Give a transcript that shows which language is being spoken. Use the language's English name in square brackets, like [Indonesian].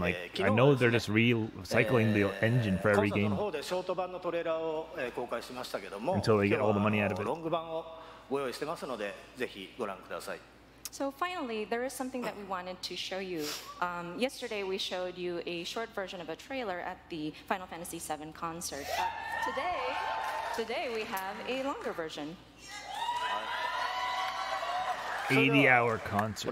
[English] Like, I know they're just recycling the engine for every game. [Japanese] コンサートの方でショート版のトレーラーを公開しましたけども、 [English] Until they get all the money out of it. [Japanese] ロング版をご用意してますので、ぜひご覧ください。 [English] So finally, there is something that we wanted to show you. Yesterday, we showed you a short version of a trailer at the Final Fantasy VII concert. Today, we have a longer version. 80-hour concert.